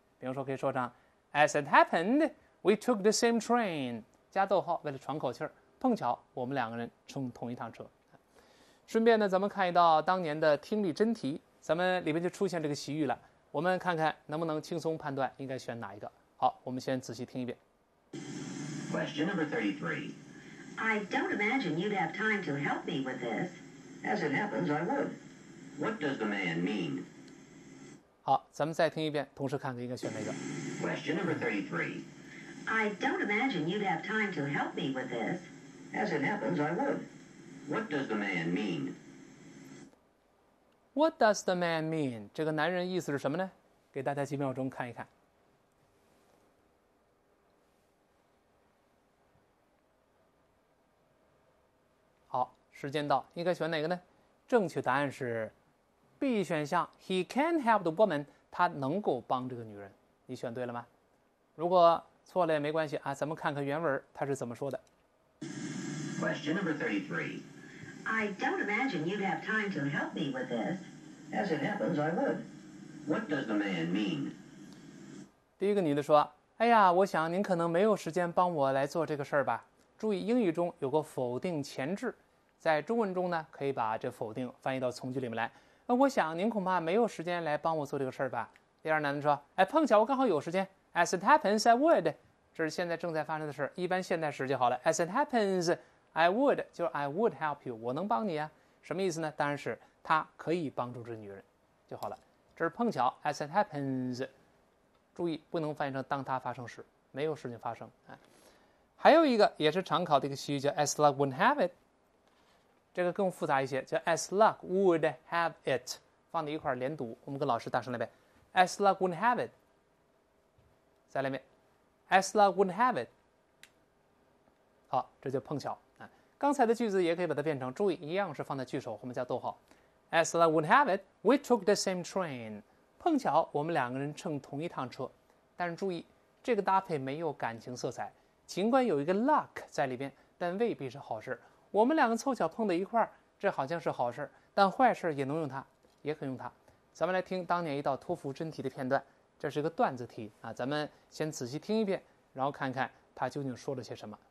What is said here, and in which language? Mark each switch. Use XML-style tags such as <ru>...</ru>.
<zh>比如说，可以说成</zh> <en>as it happened we took the same train，</en> <zh>加逗号为了喘口气，碰巧我们两个人乘同一趟车。顺便呢，咱们看一道当年的听力真题，咱们里面就出现这个习语了，我们看看能不能轻松判断应该选哪一个。好，我们先仔细听一遍。</zh> <en>Question number 33. I don't imagine you'd have time to help me with this. As it happens, I would. What does the man mean?</en> <zh>好，咱们再听一遍，同时看看应该选哪个。</zh> <en>Question number 33. I don't imagine you'd have time to help me with this. As it happens, I would. What does the man mean? What does the man mean?</en> <zh>这个男人意思是什么呢？给大家几秒钟看一看。好，时间到，应该选哪个呢？正确答案是 B 选项 ，</zh> <en>He can help the woman，</en> <zh>他能够帮这个女人。你选对了吗？如果错了也没关系啊，咱们看看原文他是怎么说的。</zh> <en>Question number 33. I don't imagine you'd have time to help me with this. As it happens, I would. What does the man mean?</en> <zh>第一个女的说，哎呀，我想您可能没有时间帮我来做这个事儿吧。注意英语中有个否定前置，在中文中呢，可以把这否定翻译到从句里面来。我想您恐怕没有时间来帮我做这个事儿吧。第二男的说，哎，碰巧我刚好有时间。</zh> <en>As it happens, I would.</en> <zh>这是现在正在发生的事，一般现在时就好了。As it happens, I would. 就是</zh> <en>I would help you.</en> <zh>我能帮你啊。什么意思呢？当然是他可以帮助这女人就好了。这是碰巧。</zh> <en>As it happens.</en> <zh>注意不能翻译成当他发生时，没有事情发生。还有一个也是常考的一个习语叫</zh> <en>As luck would have it.</en> <zh>这个更复杂一些，叫 As luck would have it. 放在一块连读，我们跟老师大声来呗。</zh> <en>As luck would have it.</en> <zh>再来一遍</zh> <en>，As luck would have it。</en> <zh>好，这就碰巧啊。刚才的句子也可以把它变成，注意一样是放在句首后面加逗号。</zh> <en>As luck would have it, we took the same train。</en> <zh>碰巧我们两个人乘同一趟车，但是注意这个搭配没有感情色彩，尽管有一个 luck 在里边，但未必是好事。我们两个凑巧碰到一块儿，这好像是好事，但坏事也能用它，也可用它。咱们来听当年一道托福真题的片段。这是一个段子题啊，咱们先仔细听一遍，然后看看他究竟说了些什么。</zh>